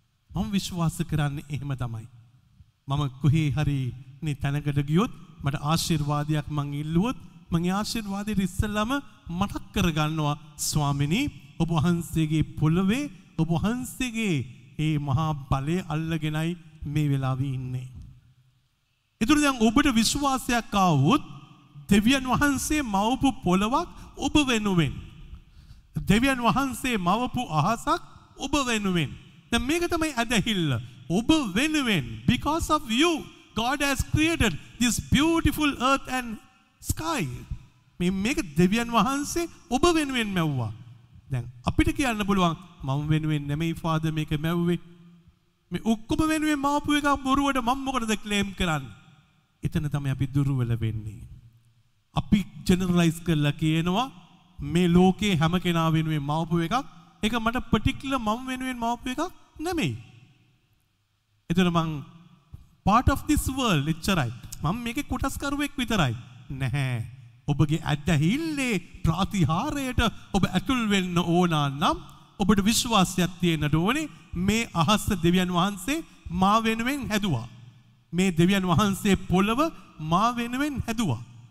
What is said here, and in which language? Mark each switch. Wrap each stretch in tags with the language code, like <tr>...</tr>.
<si>මම විශ්වාස කරන්නේ එහෙම තමයි. මම කොහේ හරි මේ තැනකට ගියොත් මට ආශිර්වාදයක් මං ඉල්ලුවොත් මගේ ආශිර්වාදයේ ඉස්සෙල්ලම මතක් කරගන්නවා, ස්වාමිනි ඔබ වහන්සේගේ පොළවේ ඔබ වහන්සේගේ මේ මහා බලය අල්ලගෙනයි මේ වෙලාවේ ඉන්නේ. ඒතුරු දැන් ඔබට විශ්වාසයක් ආවොත් දෙවියන් වහන්සේ මවපු පොළවක් ඔබ වෙනුවෙන්, දෙවියන් වහන්සේ මවපු අහසක් ඔබ වෙනුවෙන්. දැන් මේක තමයි ඇදහිල්ල. ඔබ වෙනුවෙන්</si> <en>because of you God has created this beautiful earth and sky.</en> <si>මේක දෙවියන් වහන්සේ ඔබ වෙනුවෙන් මැව්වා. දැන් අපිට කියන්න පුළුවන් මම වෙනුවෙන් නෙමෙයි ෆාදර් මේක මැව්වේ. මේ ඔක්කොම වෙනුවෙන් මවපු එක බොරුවට මම මොකටද ක්ලේම් කරන්නේ? එතන තමයි අපි දුර්වල වෙන්නේ. අපි ජෙනරලයිස් කරලා කියනවා මේ ලෝකේ හැම කෙනා වෙනුවෙන් මවපු එකක්, ඒක මට පර්ටිකියුලර් මම වෙනුවෙන් මවපු එකක් නෙමෙයි. එතන මං</si> <en>part of this world</en> <si>එච්චරයි. මම මේකේ කොටස්කරුවෙක් විතරයි. නැහැ. ඔබගේ ඇදහිල්ලේ ප්‍රතිහාරයට ඔබ ඇතුල් වෙන්න ඕන නම් ඔබට විශ්වාසයක් තියෙන්නට ඕනේ. මේ අහස දෙවියන් වහන්සේ මා වෙනුවෙන් හැදුවා. මේ දෙවියන් වහන්සේ පොළව මා වෙනුවෙන් හැදුවා.</si>